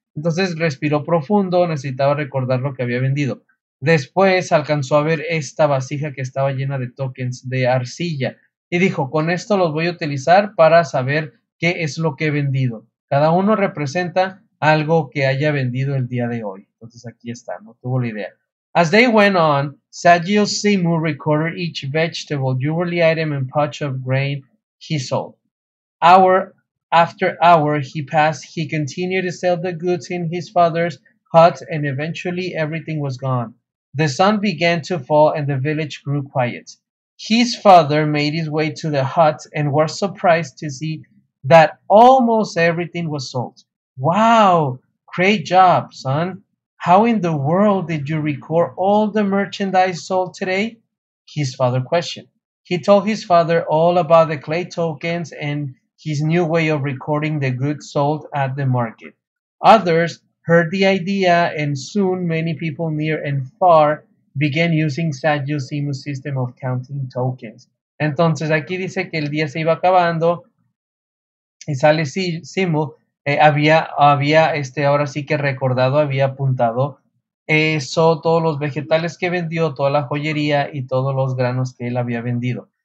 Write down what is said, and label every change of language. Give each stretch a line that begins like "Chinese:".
Spanish: Entonces, respiró profundo, necesitaba recordar lo que había vendido. Después, alcanzó a ver esta vasija que estaba llena de tokens de arcilla. Y dijo, con esto los voy a utilizar para saber qué es lo que he vendido. Cada uno representa algo que haya vendido el día de hoy. Entonces aquí está, no tuvo la idea.
English: As they went on, Sadio Simu recorded each vegetable, jewelry item, and pouch of grain he sold. Hour after hour he passed, he continued to sell the goods in his father's hut, and eventually everything was gone. The sun began to fall and the village grew quiet. His father made his way to the hut and was surprised to see that almost everything was sold. Wow, great job, son. How in the world did you record all the merchandise sold today? His father questioned. He told his father all about the clay tokens and his new way of recording the goods sold at the market. Others heard the idea, and soon many people near and far began using Sadio Simu's system of counting tokens.
Spanish: Entonces aquí dice que el día se iba acabando y sale Simu. Ahora sí que recordado, había apuntado eso, todos los vegetales que vendió, toda la joyería y todos los granos que él había vendido.